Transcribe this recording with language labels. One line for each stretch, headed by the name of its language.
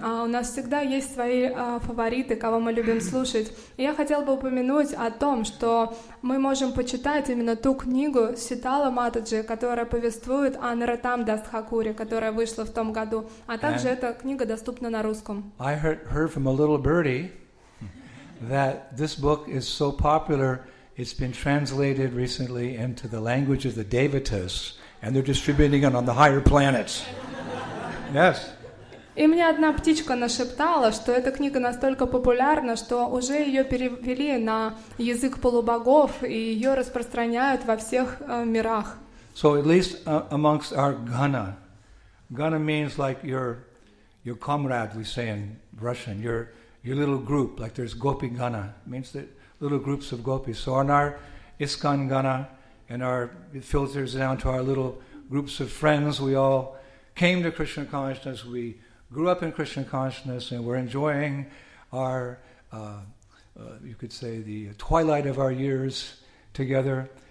Russian: У нас всегда есть свои фавориты, кого мы любим слушать. Я хотел бы упомянуть о том, что мы можем почитать именно ту книгу Ситала Матаджи, которая повествует о Наратам Дас Хакуре, которая вышла в том году. А также эта книга доступна на русском.
English: I heard from a little birdie that this book is so popular, it's been translated recently into the language of the Devatas, and they're distributing it on the higher planets. Yes.
Russian: И мне одна птичка нашептала, что эта книга настолько популярна, что уже ее перевели на язык полубогов, и ее распространяют во всех мирах.
English: So at least amongst our Gana. Gana means like your comrade, we say in Russian, your little group, like there's Gopi Gana, means that little groups of Gopis. So on our Iskan Gana, and our, it filters down to our little groups of friends, we all came to Krishna consciousness, we grew up in Krishna consciousness, and we're enjoying our, you could say, the twilight of our years together.